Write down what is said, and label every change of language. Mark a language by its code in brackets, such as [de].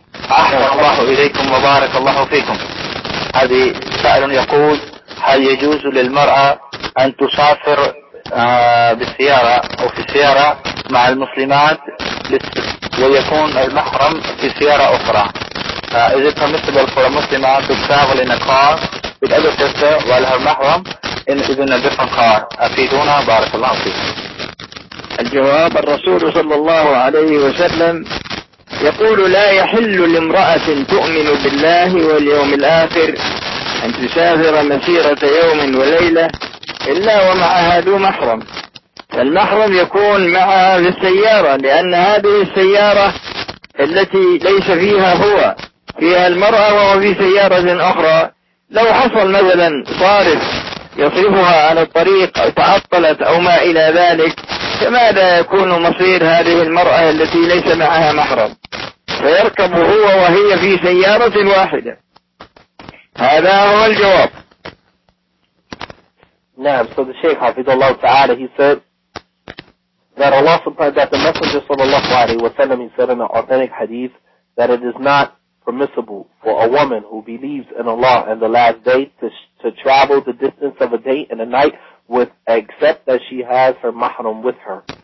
[ar] أحسن الله إليكم وبارك الله فيكم. هذا سائل يقول هل يجوز للمرأة أن تسافر بالسيارة أو في السيارة مع المسلمات ويكون المحرم في سيارة أخرى؟ [en] Is it permissible for a Muslim to travel in a car with other sister while her mahram is in a different car? [ar] أفيدونا بارك الله فيكم. الجواب: الرسول صلى الله عليه وسلم يقول لا يحل لامرأة تؤمن بالله واليوم الآخر أن تسافر مسيرة يوم وليلة إلا ومعها ذو محرم، فالمحرم يكون معها في السيارة، لأن هذه السيارة التي ليس فيها هو فيها المرأة وهو في سيارة أخرى. لو حصل مثلا صارف يصرفها على الطريق أو تعطلت أو ما إلى ذلك، فماذا يكون مصير هذه المرأة التي ليس معها محرم؟ فيركب هو وهي في سيارة واحدة. هذا هو الجواب. نعم. [en] So the Sheikh [ar] حفظه الله تعالى, [en] he said that Allah subhanahu that the Messenger [ar] صلى الله عليه وسلم [en] said in an authentic hadith that it is not permissible for a woman who believes in Allah and the last day to travel the distance of a day and a night with, except that she has her mahram with her.